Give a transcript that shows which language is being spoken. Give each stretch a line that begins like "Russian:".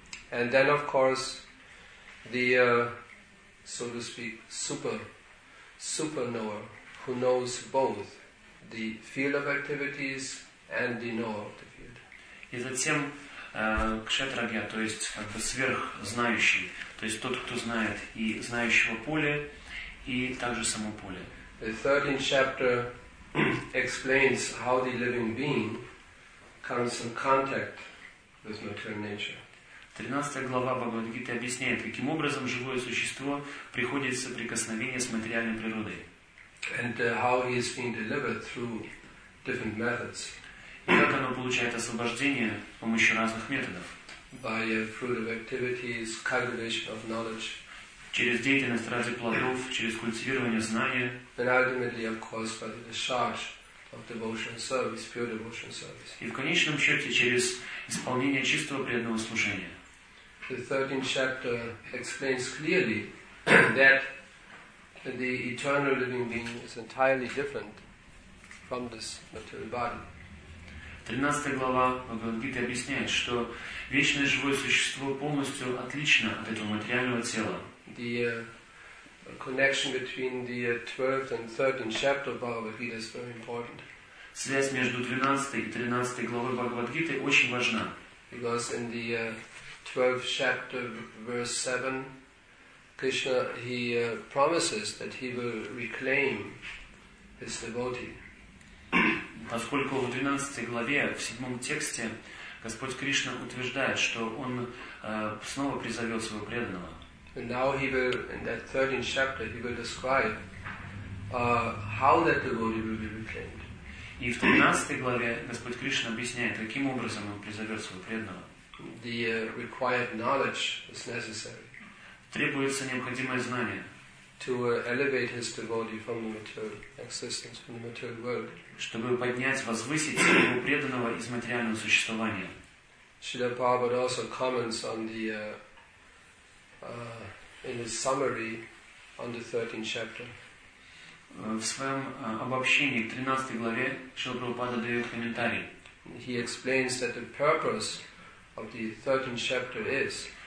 English: And then, of course, the so to speak, super knower, who knows both the field of activities and the knower of the field.
Russian: И затем кшетрагья, то есть как бы сверхзнающий, то есть тот, кто знает и знающего поле, и также само поле.
English: The 13th chapter explains how the living being comes in contact with material nature.
Russian: 13 глава Бхагавад-гиты объясняет, каким образом живое существо приходит в соприкосновение с материальной природой.
English: And how he is being delivered through different methods.
Russian: И как оно получает освобождение с помощью разных методов.
English: By fruitive activities, cultivation of knowledge.
Russian: Через деятельность ради плодов, через культивирование знания.
English: And ultimately, of course, by the discharge of devotional service, pure devotional service.
Russian: И в конечном счете через исполнение чистого преданного служения.
English: The 13th chapter explains clearly that the eternal living being is entirely different from this material body.
Russian: 13 глава Бхагавад-гиты объясняет, что вечное живое существо полностью отлично от этого материального тела.
English: The connection between the 12th and 13th chapter of Bhagavad-gita is very important.
Russian: Связь между 12 и 13 главой Бхагавад-гиты очень важна.
English: Because in the 12th chapter, verse 7, Krishna he promises that he will reclaim his devotee.
Russian: Поскольку в 12 главе, в 7 тексте, Господь Кришна утверждает, что Он снова призовет Своего преданного.
English: And now he will, in that 13th chapter, he will describe how that devotee will be reclaimed.
Russian: И в 13 главе Господь Кришна объясняет, каким образом Он призовет Своего преданного.
English: The required knowledge is necessary.
Russian: Требуется необходимое знание.
English: To elevate his devotee from the material existence, from the material world.
Russian: Чтобы поднять, возвысить своего преданного из материального существования.
English: Srila Prabhupada also comments on the in his summary on the 13th chapter.
Russian: В своем обобщении к 13 главе Srila Prabhupada дает комментарий.
English: He explains that the purpose of the 13th chapter is.